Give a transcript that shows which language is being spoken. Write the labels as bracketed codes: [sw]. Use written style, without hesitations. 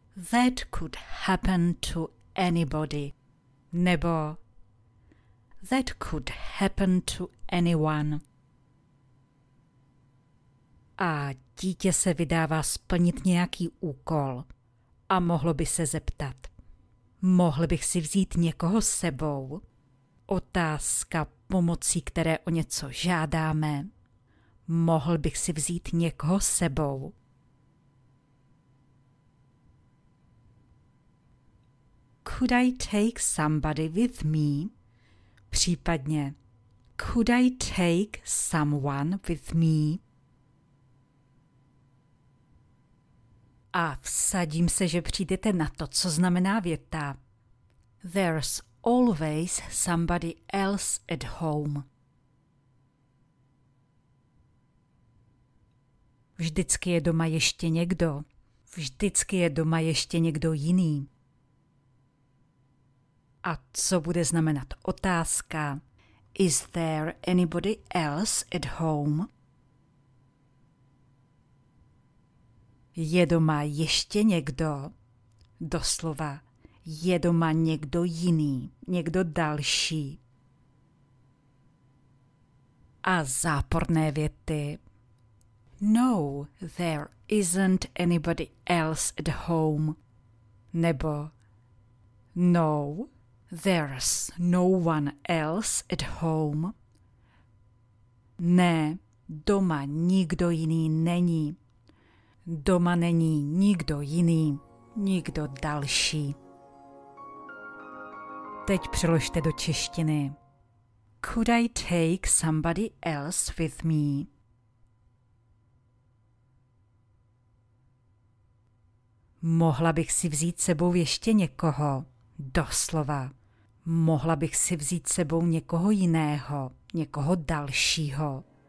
[en] That could happen to anybody. Nebo that could happen to anyone. [cs] A dítě se vydává splnit nějaký úkol a mohlo by se zeptat. Mohl bych si vzít někoho s sebou? Otázka pomocí, které o něco žádáme. Mohl bych si vzít někoho s sebou? [en] Could I take somebody with me? Případně. Could I take someone with me? [cs] A vsadím se, že přijdete na to, co znamená věta. [en] There's always somebody else at home. [cs] Vždycky je doma ještě někdo. Vždycky je doma ještě někdo jiný. A co bude znamenat otázka? [en] Is there anybody else at home? [cs] Je doma ještě někdo? Doslova, je doma někdo jiný, někdo další. A záporné věty. [en] No, there isn't anybody else at home. Nebo no, there's no one else at home. [cs] Ne, doma nikdo jiný není. Doma není nikdo jiný, nikdo další. Teď přeložte do češtiny. [en] Could I take somebody else with me? [cs] Mohla bych si vzít sebou ještě někoho, doslova. Mohla bych si vzít sebou někoho jiného, někoho dalšího.